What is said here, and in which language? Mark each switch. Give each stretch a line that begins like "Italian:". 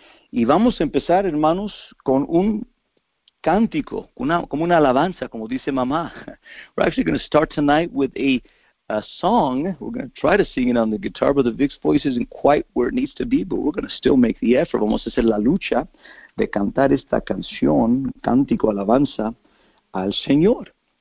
Spanish: Y vamos a empezar, hermanos, con un cántico, como una alabanza, como dice mamá.
English: We're actually going to start tonight with a song. We're going to try to sing it on the guitar, but the Vic's voice isn't quite where it needs to be, but we're going to still make the effort.
Spanish: Vamos a hacer la lucha de cantar esta canción, cántico, alabanza al Señor.